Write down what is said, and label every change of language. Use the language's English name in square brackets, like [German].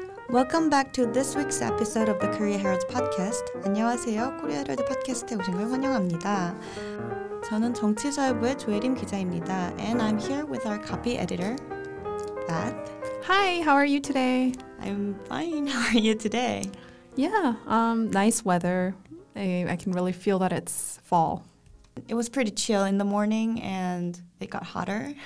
[English] Welcome back to this week's episode of the Korea Herald podcast. [Korean] 안녕하세요. 코리아 헤럴드 팟캐스트에 오신 걸 환영합니다. 저는 정치사회부의 조혜림 기자입니다. [English] And I'm here with our copy editor, Beth. Hi, how are you today? I'm fine. How are you today? Yeah, nice weather. I can really feel that it's fall. It was pretty chill in the morning and it got hotter